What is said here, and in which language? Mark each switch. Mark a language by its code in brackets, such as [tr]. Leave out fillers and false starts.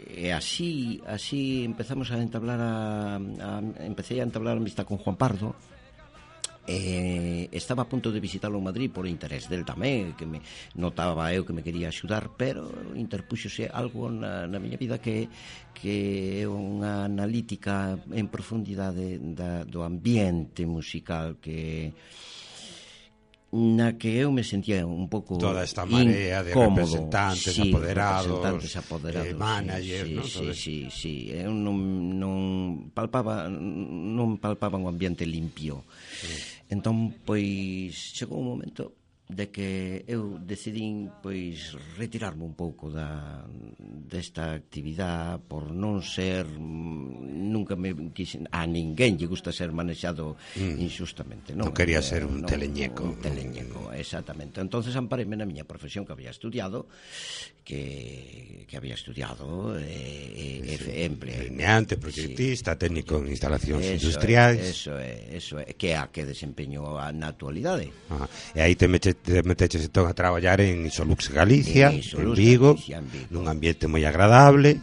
[es] Así empezamos a entablar empecé a entablar amistad con Juan Pardo. [gl] Estaba [es] a punto de visitarlo [gl] en Madrid por interés del tamén, que me notaba eu que me quería axudar, pero interpuxose algo na miña vida que é unha analítica en profundidade do ambiente musical que na que eu me sentía un pouco toda esta marea incómodo. De representantes, sí, apoderados, managers, sí, no? Sí, todo sí, esto. Sí, eu non palpaba un ambiente limpio. Sí. Entón, pois, chegou un momento de que eu decidín pois retirarme un pouco desta actividade por non ser, nunca me quixen, a ninguén lle gusta ser manexado injustamente, non? Non quería ser un teleñeco. Un teleñeco, exactamente. Entonces amparéme na miña profesión que había estudiado, que había estudiado delineante, proxectista, sí, técnico en instalacións industriais. Eso é, que é a que desempeñou na actualidade. Ah, e aí te meteches entón a traballar en Solux Galicia, en Vigo, nun ambiente moi agradable.